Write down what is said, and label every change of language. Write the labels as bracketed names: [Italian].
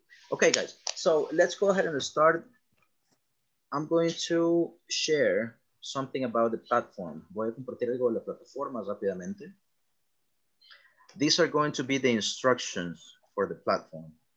[English] Okay, guys, so let's go ahead and start. I'm going to share something about the platform. [Spanish] Voy a compartir algo de la plataforma rápidamente. [English] These are going to be the instructions for the platform.